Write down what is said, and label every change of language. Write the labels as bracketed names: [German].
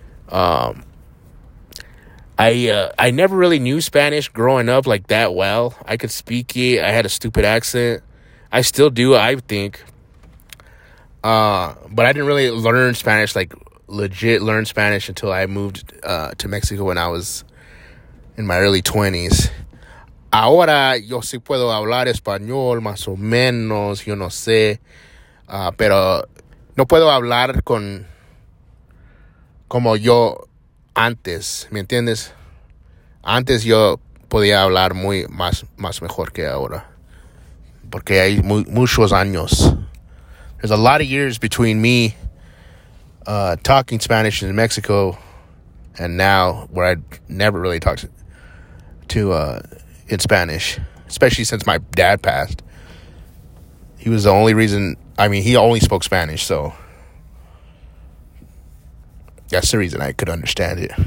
[English] I never really knew Spanish growing up like that well. I could speak it. I had a stupid accent. I still do, I think. But I didn't really learn Spanish, like legit learn Spanish, until I moved to Mexico when I was in my early 20s. [Spanish] Ahora yo sí puedo hablar español más o menos, yo no sé. Pero no puedo hablar con como yo antes, ¿me entiendes? Antes yo podía hablar muy más mejor que ahora. Porque hay muchos años. [English] There's a lot of years between me talking Spanish in Mexico and now, where I never really talked to in Spanish, especially since my dad passed. He was the only reason, I mean, he only spoke Spanish, so that's the reason I could understand it.